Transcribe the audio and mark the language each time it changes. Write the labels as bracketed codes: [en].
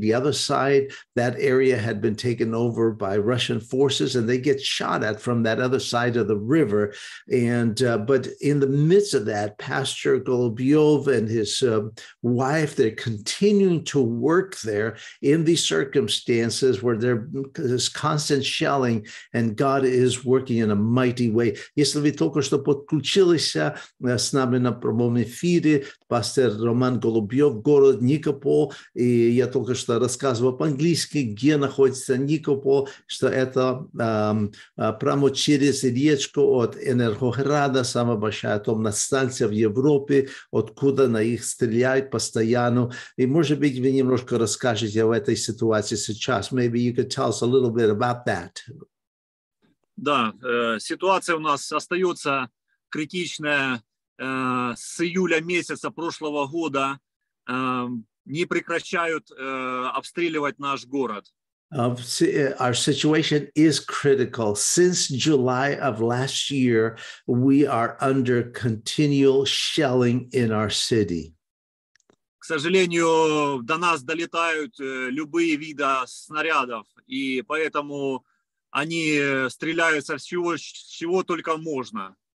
[en] The other side, that area had been taken over by Russian forces, and they get shot at from that other side of the river. But in the midst of that, Pastor Golubev and his wife, they're continuing to work there in these circumstances where there's constant shelling, and God is working in a mighty way. [uk] Якщо ви тільки що підключилися з нами на прямому ефірі, пастор Роман Голубьов, город Нікополь, і я тільки що розказував по-англійськи, де знаходиться Нікополь, що це прямо через річку від Енергограда, сама більша атомна станція в Європі, откуда на їх стріляють постійно. І, може би, ви немножко розкажете в цій ситуації зараз. [en] Maybe you could tell us a little bit about that. [ru] Да, ситуация у нас остается критичная с июля месяца прошлого года. Не прекращают обстреливать наш город. [en] Our situation is critical. Since July of last year, we are under continual shelling in our city. [ru] К сожалению, до нас долетают любые виды снарядов, и поэтому они стреляют со всего, чего только можно.